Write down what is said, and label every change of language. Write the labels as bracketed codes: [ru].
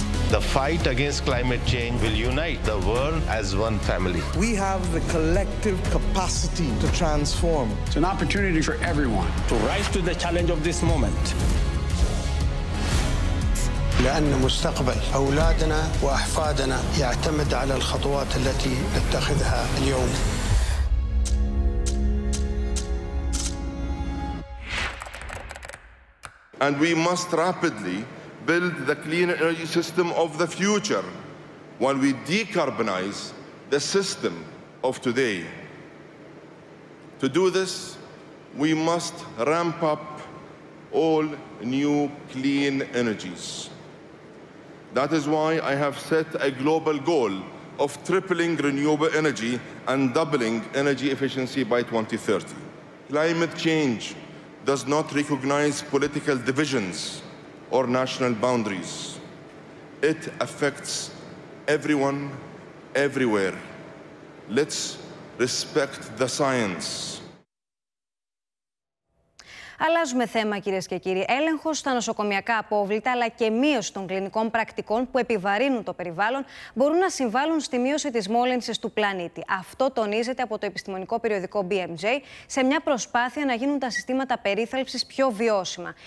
[en] The fight against climate change will unite the world as one family. We have the collective capacity to transform. It's an opportunity for everyone to rise to the challenge of this moment. [ar] لأن مستقبل أولادنا وأحفادنا يعتمد على الخطوات التي نتخذها اليوم. [en] And we must rapidly build the clean energy system of the future while we decarbonize the system of today. To do this, we must ramp up all new clean energies. That is why I have set a global goal of tripling renewable energy and doubling energy efficiency by 2030. Climate change does not recognize political divisions or national boundaries. It affects everyone, everywhere. Let's respect the science. [el] Αλλάζουμε θέμα, κυρίες και κύριοι. Έλεγχος στα νοσοκομιακά απόβλητα αλλά και μείωση των κλινικών πρακτικών που επιβαρύνουν το περιβάλλον μπορούν να συμβάλλουν στη μείωση της μόλυνσης του πλανήτη. Αυτό τονίζεται από το επιστημονικό περιοδικό BMJ σε μια προσπάθεια να γίνουν τα συστήματα περίθαλψης πιο βιώσιμα.